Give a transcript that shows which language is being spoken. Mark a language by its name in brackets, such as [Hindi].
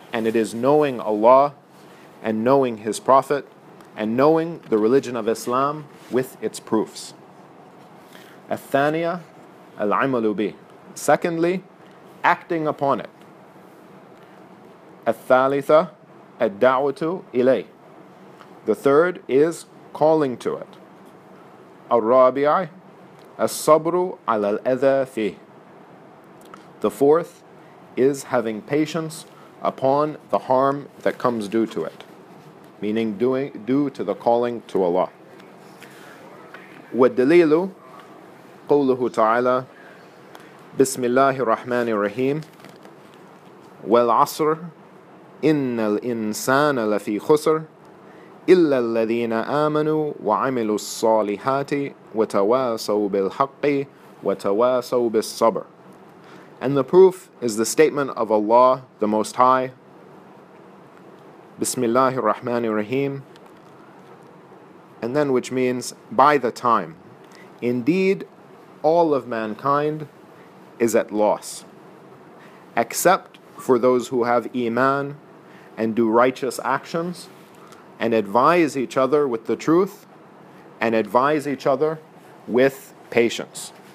[English] And it is knowing Allah, and knowing His Prophet, and knowing the religion of Islam with its proofs. [Arabic] Al-Thaniya, al-Amalu bi. [English] Secondly, acting upon it. [Arabic] الثالثة الدعوة إليه. [English] The third is calling to it. [Arabic] الرابعة الصبر على الأذى فيه. [English] The fourth is having patience upon the harm that comes due to it, meaning due to the calling to Allah. [Arabic] والدليل قوله تعالى بسم الله الرحمن الرحيم والعصر إن الإنسان لفي خسر إلا الذين آمنوا وعملوا الصالحات وتواصوا بالحق وتواصوا بالصبر. [English] And the proof is the statement of Allah the Most High, [Arabic] بسم الله الرحمن الرحيم, [English] and then which means by the time. Indeed, all of mankind is at loss, except for those who have iman and do righteous actions and advise each other with the truth and advise each other with patience.